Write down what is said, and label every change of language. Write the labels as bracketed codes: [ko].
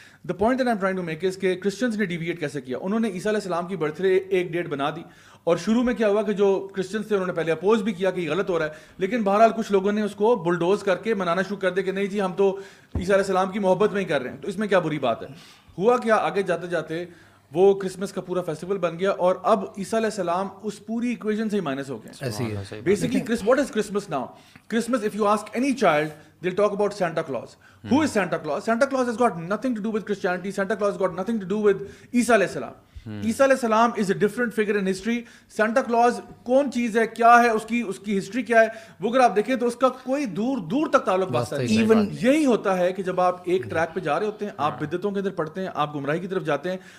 [en] the point that I'm trying to make is [ur] کہ Christians نے deviate کیسے کیا. انہوں نے عیسیٰ علیہ السلام کی برتھ ڈے ایک ڈیٹ بنا دی, اور شروع میں کیا ہوا کہ جو کرسچنز تھے انہوں نے پہلے اپوز بھی کیا کہ یہ غلط ہو رہا ہے, لیکن بہرحال کچھ لوگوں نے اس کو بلڈوز کر کے منانا شروع کر دیا کہ نہیں جی ہم تو عیسیٰ علیہ السلام کی محبت میں ہی کر رہے ہیں, تو اس میں کیا بری بات ہے. ہوا کیا, آگے جاتے جاتے وہ کرسمس کا پورا فیسٹیول بن گیا, اور اب عیسیٰ علیہ السلام اس پوری ایکویشن سے ہی مائنس ہو گئے. [en] Basically what is Christmas now? Christmas, if you ask any child, they talk about Santa Claus. Who is Santa Claus? Santa Claus has got nothing to do with Christianity. Santa Claus got nothing to do with عیسیٰ علیہ السلام. [ur] عیسیٰ علیہ السلام [en] Is a different figure in history. [ur] Santa Claus کون چیز ہے, کیا ہے اس کی ہسٹری کیا ہے, وہ اگر آپ دیکھیں تو اس کا کوئی دور دور تک تعلق بس ہے. ایون یہی ہوتا ہے کہ جب آپ ایک ٹریک پہ جا رہے ہوتے ہیں, آپ بدعتوں کے اندر پڑھتے ہیں, آپ گمراہی کی طرف جاتے ہیں.